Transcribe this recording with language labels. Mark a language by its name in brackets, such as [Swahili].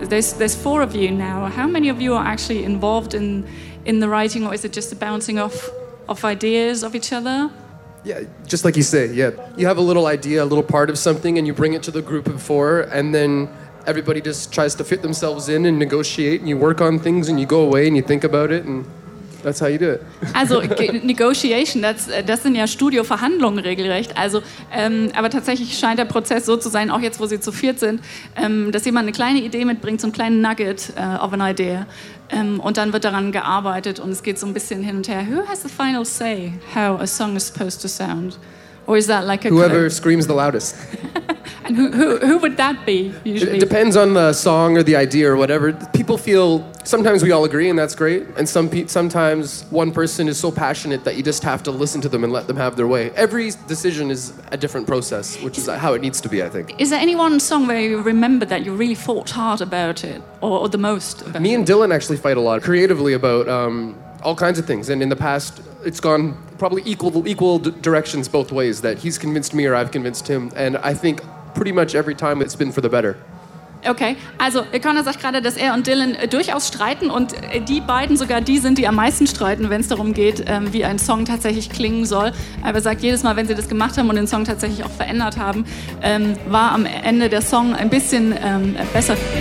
[English] There's four of you now. How many of you are actually involved in the writing, or is it just the bouncing off of ideas of each other? Yeah, just like you say, yeah. You have a little idea, a little part of something, and you bring it to the group of four, and then everybody just tries to fit themselves in and negotiate, and you work on things, and you go away, and you think about it, and that's how you do it. [German] Also Negotiation, das sind ja Studio-Verhandlungen regelrecht. Also, aber tatsächlich scheint der Prozess so zu sein, auch jetzt, wo sie zu viert sind, dass jemand eine kleine Idee mitbringt, so einen kleinen [English] Nugget of an idea. [German] Und dann wird daran gearbeitet und es geht so ein bisschen hin und her. [English] Who has the final say how a song is supposed to sound? Or is that like a... Whoever screams the loudest. And who would that be, usually? It depends on the song or the idea or whatever. People feel, sometimes we all agree and that's great, and sometimes one person is so passionate that you just have to listen to them and let them have their way. Every decision is a different process, which is how it needs to be, I think. Is there any one song where you remember that you really fought hard about it, or the most about Me and Dylan actually fight a lot creatively about all kinds of things, and in the past, it's gone probably equal directions both ways, that he's convinced me or I've convinced him, and I think pretty much every time it's been for the better. [German] Okay, also Connor sagt gerade, dass er und Dylan durchaus streiten und die beiden sogar die sind, die am meisten streiten, wenn es darum geht, wie ein Song tatsächlich klingen soll. Aber sagt, jedes Mal, wenn sie das gemacht haben und den Song tatsächlich auch verändert haben, war am Ende der Song ein bisschen besser.